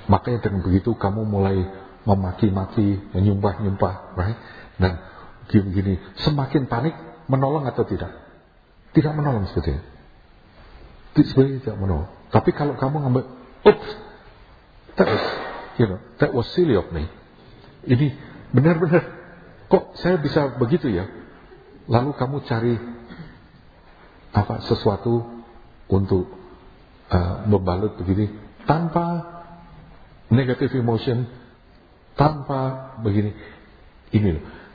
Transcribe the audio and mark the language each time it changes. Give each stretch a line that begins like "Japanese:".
Indonesian: Makanya dengan begitu, kamu mulai memaki-maki, menyumpah-nyumpah,
English: right?
Indonesian: Dan gini-gini, semakin panik, menolong atau tidak? Tidak menolong sebetulnya. Sebenarnya tidak menolong. Tapi kalau kamu ngambil,
English: oops, that was silly of me.
Indonesian: Ini benar-benar, kok saya bisa begitu ya? Lalu kamu cari apa sesuatu untuk membalut begini, tanpa negative emotion, tanpa begini. Ini loh.